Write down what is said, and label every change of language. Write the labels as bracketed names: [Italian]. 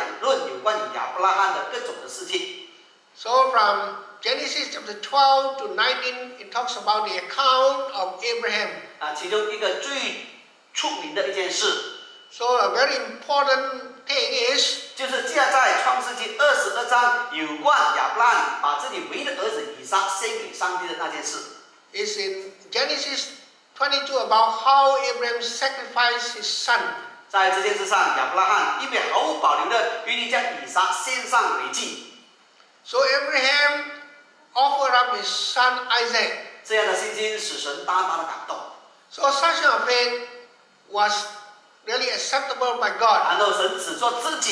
[Chinese] 如果你看创世纪从12章开始一直到25章，都是讲论有关于亚伯拉罕的各种的事情。 [English] So from Genesis chapter 12 to 19, it talks about the account of Abraham. [Chinese] 其中一个最出名的一件事。 [English] So a very important thing is. [Chinese] 就是记载在创世纪22章有关亚伯拉罕把自己唯一的儿子以撒献给上帝的那件事。 [English] It's in Genesis 22 about how Abraham sacrificed his son. [Chinese] 在这件事上，亚伯拉罕并毫无保留的愿意将以撒献上为祭。 [English] So Abraham offered up his son Isaac. [Chinese] 这样的信心使神大大的感动。 [English] So such a faith was really acceptable by God.